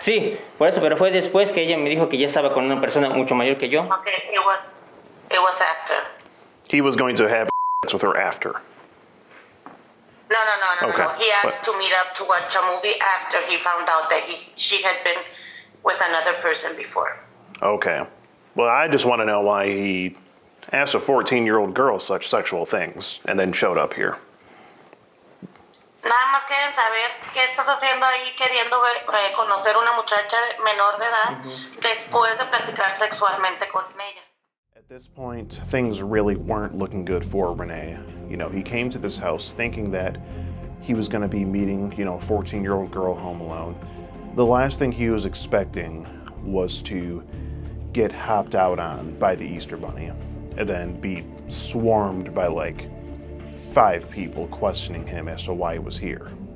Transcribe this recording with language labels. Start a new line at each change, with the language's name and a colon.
Spanish: Sí, por eso, pero fue después que ella me dijo que ya estaba con una persona mucho mayor que yo.
English: Okay, it was after. He was going to have sex with her after. No. Okay. No. He asked to meet up to watch a movie after he found out that she had been with another person before. Okay. Well, I just want to know why he asked a 14-year-old girl such sexual things and then showed up here.
Spanish: Nada más quieren saber qué estás haciendo ahí queriendo conocer una muchacha menor de edad después de practicar sexualmente con ella.
English: At this point, things really weren't looking good for Rene. You know, he came to this house thinking that he was going to be meeting, you know, a 14-year-old girl home alone. The last thing he was expecting was to get hopped out on by the Easter Bunny and then be swarmed by, like, five people questioning him as to why he was here.